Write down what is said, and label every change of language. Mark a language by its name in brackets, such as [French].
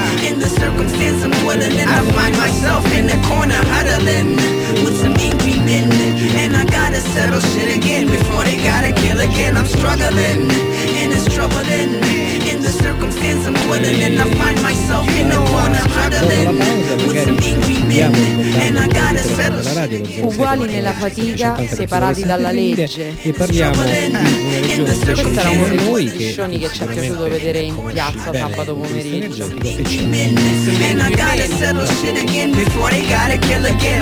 [English] In the circumstance I'm dwelling in, I find myself in the corner huddling with some angry men. And I gotta settle shit again before they gotta kill again. I'm struggling, and it's troubling. In the circumstance I'm dwelling in, I find myself in the corner huddling with some angry men. And I gotta settle shit again. [Italian] Uguali nella fatica, separati dalla legge. E parliamo di una regione. Questa era una delle discussioni che ci è piaciuto vedere in piazza sabato pomeriggio. [English] And I gotta settle shit again before they gotta kill again.